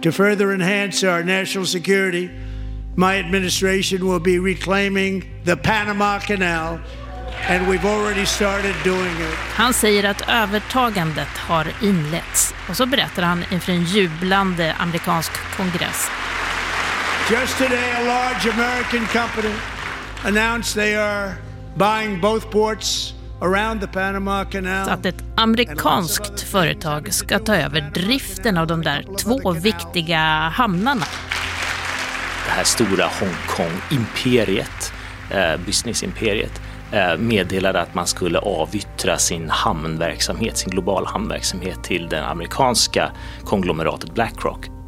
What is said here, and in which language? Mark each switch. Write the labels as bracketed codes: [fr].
[en] To further enhance our national security, my administration will be reclaiming the Panama Canal. And we've already started doing it. [sv] Han säger att övertagandet har inletts. Och så berättar han inför en jublande amerikansk kongress. [en] Just today a large American company announced they are buying both ports around the Panama Canal. [sv] Så att ett amerikanskt företag ska ta över driften av de där två viktiga hamnarna. Det här stora Hongkong-imperiet, business-imperiet, meddelade att man skulle avyttra sin hamnverksamhet, sin globala hamnverksamhet, till det amerikanska konglomeratet BlackRock.